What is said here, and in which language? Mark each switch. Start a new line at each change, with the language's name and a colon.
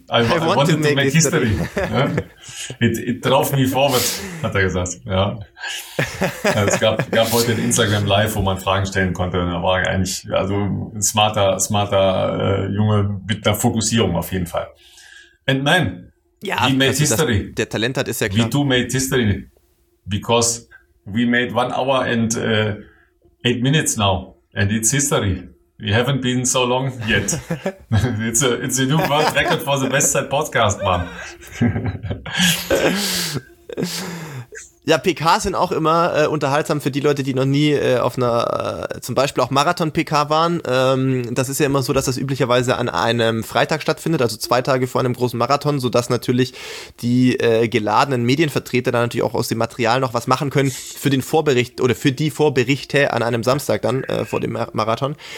English: I want to make history. Ja? It drove me forward,
German: hat er gesagt.
English: Ja.
German: Es gab heute ein Instagram Live, wo man Fragen stellen konnte. Da war er eigentlich ein smarter Junge mit einer Fokussierung auf jeden Fall.
English: And man, he made history.
German: Der Talent hat, ist ja klar.
English: We too made history. Because we made 1 hour and 8 minutes now. And it's history. We haven't been so long yet. It's a new world record for the Westside Podcast, man.
German: Ja, PKs sind auch immer unterhaltsam für die Leute, die noch nie auf einer, zum Beispiel auch Marathon-PK waren. Das ist ja immer so, dass das üblicherweise an einem Freitag stattfindet, also zwei Tage vor einem großen Marathon, sodass natürlich die geladenen Medienvertreter dann natürlich auch aus dem Material noch was machen können für den Vorbericht oder für die Vorberichte an einem Samstag dann vor dem Marathon.